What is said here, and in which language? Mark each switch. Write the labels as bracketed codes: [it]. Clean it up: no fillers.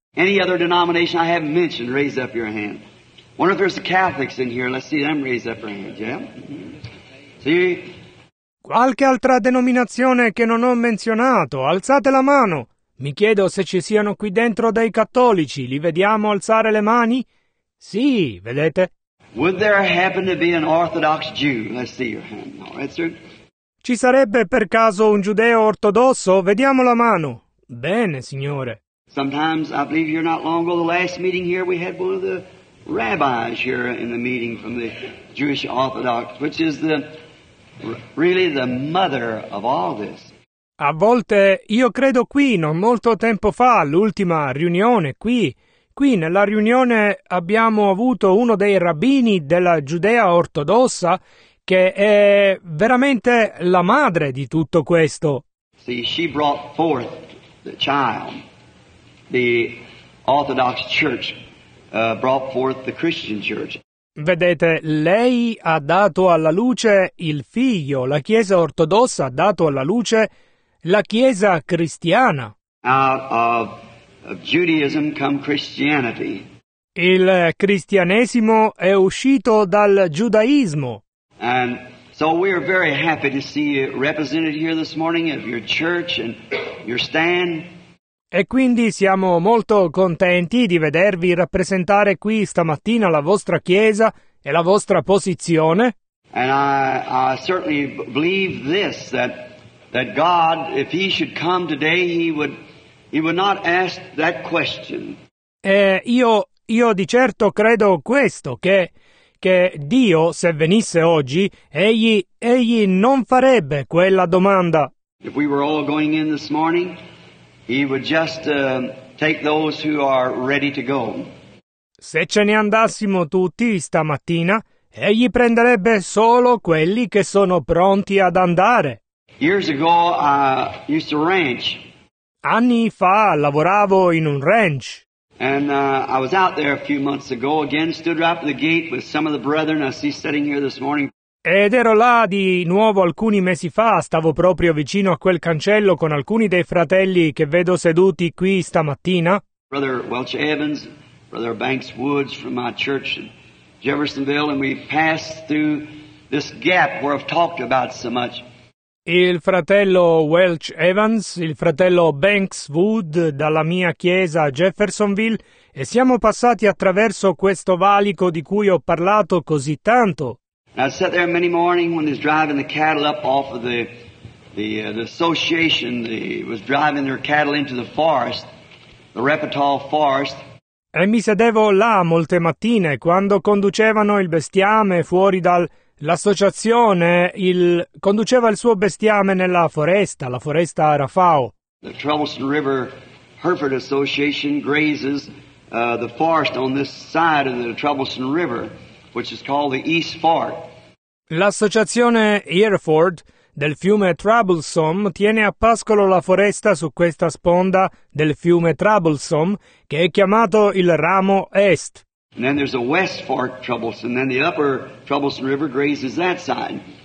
[en] Any other denomination I haven't mentioned, raise up your hand. Wonder if there's Catholics in here, let's see them raise up their hands, yeah? See? [it] Qualche altra denominazione che non ho menzionato, alzate la mano. Mi chiedo se ci siano qui dentro dei cattolici, li vediamo alzare le mani? Sì, vedete? [en] Would there happen to be an Orthodox Jew? Let's see your hand. All right, sir. [it] Ci sarebbe per caso un giudeo ortodosso? Vediamo la mano. Bene, signore. [en] Sometimes I believe you're not long ago, the last meeting here we had one of the rabbis here in the meeting from the Jewish Orthodox, which is the really the mother of all this. [it] A volte io credo qui, non molto tempo fa, l'ultima riunione qui nella riunione abbiamo avuto uno dei rabbini della Giudea ortodossa che è veramente la madre di tutto questo. [en] See, she brought forth the child. The Orthodox Church brought forth the Christian Church. [it] Vedete, lei ha dato alla luce il figlio, la Chiesa ortodossa ha dato alla luce la Chiesa cristiana. [en] Out of Judaism come Christianity. [it] Il cristianesimo è uscito dal giudaismo. [en] And so we are very happy to see you represented here this morning of your church and your stand. [it] E quindi siamo molto contenti di vedervi rappresentare qui stamattina la vostra chiesa e la vostra posizione. [en] And I certainly believe this, that God, if he should come today, he would not ask that question. [it] E io di certo credo questo, che Dio, se venisse oggi, egli non farebbe quella domanda. [en] If we were all going in this morning, he would just take those who are ready to go. [it] Se ce ne andassimo tutti stamattina, egli prenderebbe solo quelli che sono pronti ad andare. [en] Years ago, I used to ranch. [it] Anni fa lavoravo in un ranch. [en] And I was out there a few months ago again, stood right at the gate with some of the brethren I see sitting here this morning. [it] Ed ero là di nuovo alcuni mesi fa, stavo proprio vicino a quel cancello con alcuni dei fratelli che vedo seduti qui stamattina. [en] Brother Welch Evans, Brother Banks Woods from my church in Jeffersonville, and we passed through this gap where I've talked about so much. [it] Il fratello Welch Evans, il fratello Banks Wood dalla mia chiesa a Jeffersonville, e siamo passati attraverso questo valico di cui ho parlato così tanto. [en] I sat there many morning when he was driving the cattle up off of the association. He was driving their cattle into the forest, the Repertoire Forest. [it] E mi sedevo là molte mattine quando conducevano il bestiame fuori dal l'associazione. Il conduceva il suo bestiame nella foresta, la foresta Rafao. [en] The Troublesome River Hereford Association grazes the forest on this side of the Troublesome River, which is called the East Fork. [it] L'associazione Hereford del fiume Troublesome tiene a pascolo la foresta su questa sponda del fiume Troublesome, che è chiamato il ramo Est. [en] And then there's a West Fork Troublesome, and then the upper Troublesome River grazes that side.